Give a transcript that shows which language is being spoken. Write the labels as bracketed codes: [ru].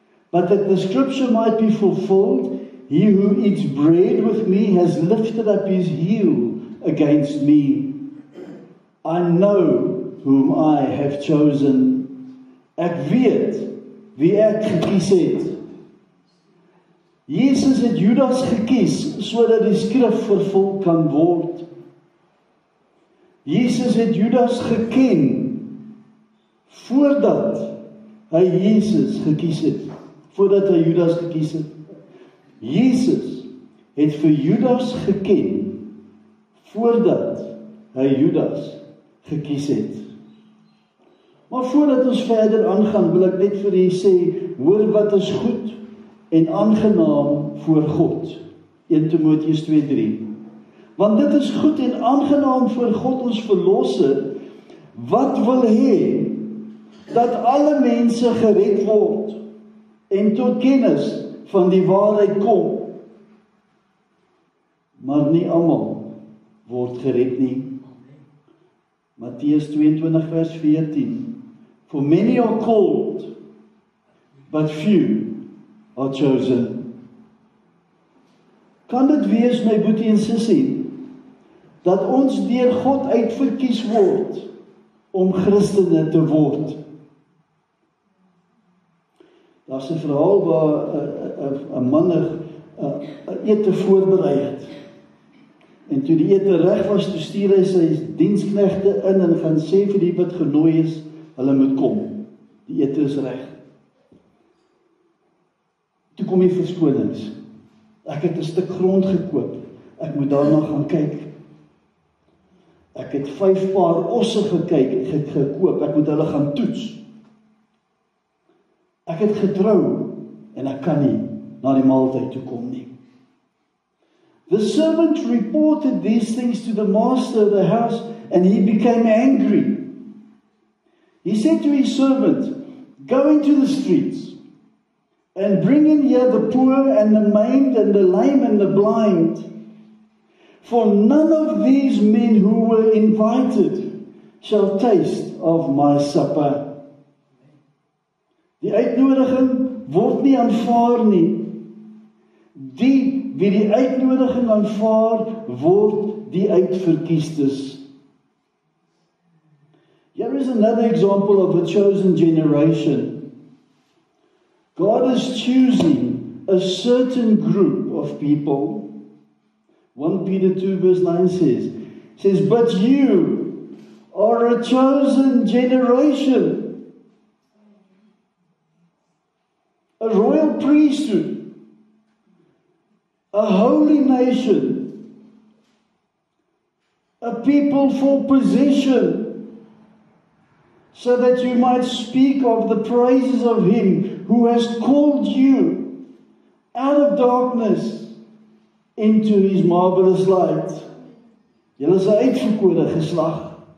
[en] But that the scripture might be fulfilled, he who eats bread with me has lifted up his heel against me. I know whom I have chosen. [af] Ek weet wie ek gekies het. Jesus het Judas gekies sodat die skrif vervul kan word. Jesus het Judas geken voordat hy Jesus gekies het. Voordat hy Judas gekies het. Jesus het vir Judas geken voordat hy Judas gekies het. Maar voordat ons verder aangaan, wil ek net vir u sê, hoor wat is goed en aangenaam voor God. 1 Timoteus 2:3. Want dit is goed en aangenaam voor God ons verlosser, wat wil hê dat alle mense gered word en tot kennis van die waarheid kom. Maar nie almal word gered nie. Matteus 22 vers 14. [en] For many are called, but few are chosen. [af] Kan dit wees, my boetie en sussie, dat ons deur God uitverkies word om Christene te word? Daar's 'n verhaal waar 'n man 'n ete voorberei het. En toe die ete reg was, toe stuur hy sy diensknegte in en gaan sê vir die wat genooi is, hulle moet kom. Die ete is reg. Toe kom die verskonings. Ek het 'n stuk grond gekoop. Ek moet daarna gaan kyk. Ek het 5 paar osse gekoop. Ek moet hulle gaan toets. Ek het getrou en ek kan nie na die maaltyd toe kom nie. [en] The servant reported these things to the master of the house and he became angry. He said to his servant, go into the streets and bring in here the poor and the maimed and the lame and the blind. For none of these men who were invited shall taste of my supper. [af] Die uitnodiging word nie aanvaar nie. Die wie die uitnodiging aanvaar, word die uitverkiestes. [en] There is another example of a chosen generation. God is choosing a certain group of people. 1 Peter 2 verse 9 says, but you are a chosen generation, a royal priesthood, a holy nation, a people for possession, so that you might speak of the praises of Him who has called you out of darkness into His marvelous light. [af] Julle is 'n uitverkore geslag.